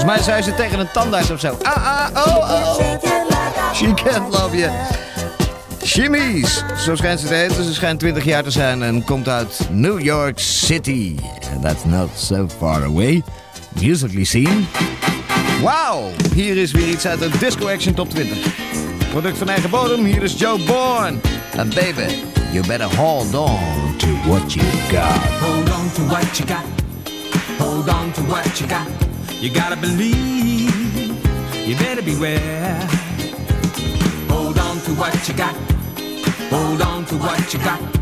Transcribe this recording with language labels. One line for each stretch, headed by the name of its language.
Dutch: Zij ze tegen een tandarts of zo. Ah, ah, oh, oh.
English: She can't love you.
Dutch: Shimmies, zo schijnt ze te heten. Ze schijnt 20 jaar te zijn en komt uit New York City.
English: And that's not so far away. Musically seen.
Dutch: Wow, hier is weer iets uit de Disco Action Top 20. Product van eigen bodem, hier is Joe Bourne.
English: And baby, you better hold on to what you got. Hold on to what you got. Hold on to what you got. You gotta believe, you better beware. Hold on to what you got. Hold on to what you got.